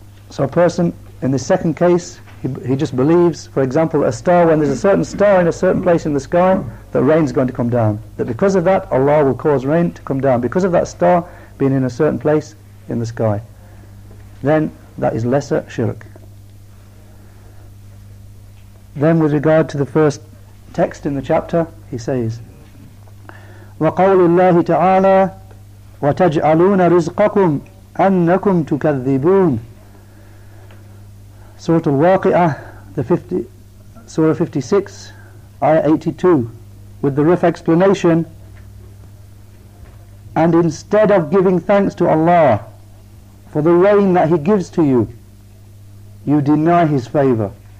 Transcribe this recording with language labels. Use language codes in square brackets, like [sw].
[en] So a person, in the second case, he just believes, for example, a star, when there's a certain star in a certain place in the sky, that rain's going to come down. That because of that, Allah will cause rain to come down, because of that star being in a certain place in the sky. Then that is lesser shirk. Then with regard to the first text in the chapter, he says, [ar] وَقَوْلُ اللَّهِ تَعَالَى وَتَجْعَلُونَ رِزْقَكُمْ أَنَّكُمْ تُكَذِّبُونَ. [en] Surah Al-Waqi'ah, Surah 56, Ayah 82, with the rough explanation, and instead of giving thanks to Allah for the rain that He gives to you, you deny His favour.